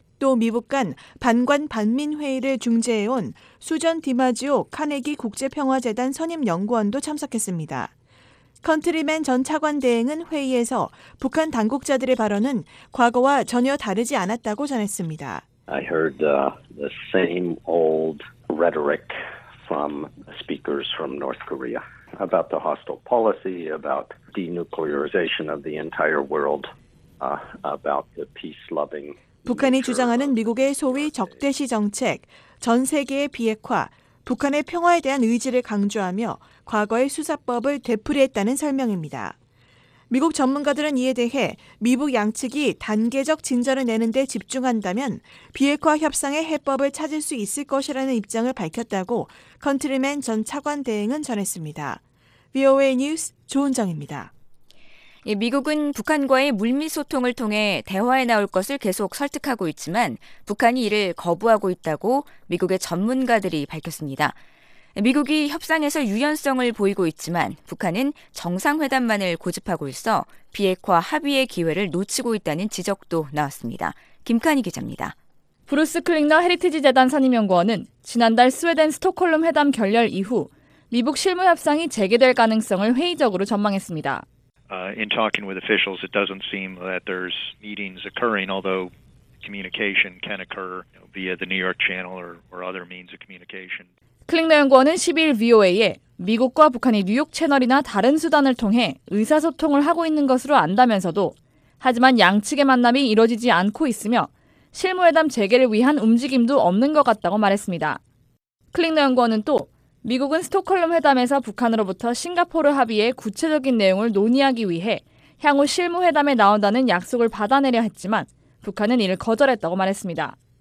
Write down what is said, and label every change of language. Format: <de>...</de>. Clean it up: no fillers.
<ko>또 미국 간 반관 반민 회의를 중재해온 수전 디마지오 카네기 국제평화재단 선임연구원도 참석했습니다. 컨트리맨 전 차관 대행은 회의에서 북한 당국자들의 발언은 과거와 전혀 다르지 않았다고 전했습니다.</ko> <en>I heard the same old rhetoric from speakers from North Korea about the hostile policy, about denuclearization of the entire world, about the peace-loving</en> <ko>북한이 주장하는 미국의 소위 적대시 정책, 전 세계의 비핵화, 북한의 평화에 대한 의지를 강조하며 과거의 수사법을 되풀이했다는 설명입니다. 미국 전문가들은 이에 대해 미북 양측이 단계적 진전을 내는 데 집중한다면 비핵화 협상의 해법을 찾을 수 있을 것이라는 입장을 밝혔다고 컨트리맨 전 차관 대행은 전했습니다. VOA 뉴스 조은정입니다. 미국은 북한과의 물밑 소통을 통해 대화에 나올 것을 계속 설득하고 있지만 북한이 이를 거부하고 있다고 미국의 전문가들이 밝혔습니다. 미국이 협상에서 유연성을 보이고 있지만 북한은 정상회담만을 고집하고 있어 비핵화 합의의 기회를 놓치고 있다는 지적도 나왔습니다. 김카니 기자입니다. 브루스 클링너 헤리티지 재단 선임연구원은 지난달 스웨덴 스톡홀름 회담 결렬 이후 미북 실무협상이 재개될 가능성을 회의적으로 전망했습니다.</ko> <en>In talking with officials, it doesn't seem that there's meetings occurring, although communication can occur via the New York Channel or other means of communication.</en> <ko>클링너 연구원은 12일 VOA에 미국과 북한이 뉴욕 채널이나 다른 수단을 통해 의사소통을 하고 있는 것으로 안다면서도 하지만 양측의 만남이 이뤄지지 않고 있으며 실무회담 재개를 위한 움직임도 없는 것 같다고 말했습니다. 클링너 연구원은 또 미국은 스톡홀름 회담에서 북한으로부터 싱가포르 합의의 구체적인 내용을 논의하기 위해 향후 실무회담에 나온다는 약속을 받아내려 했지만 북한은 이를 거절했다고 말했습니다.</ko>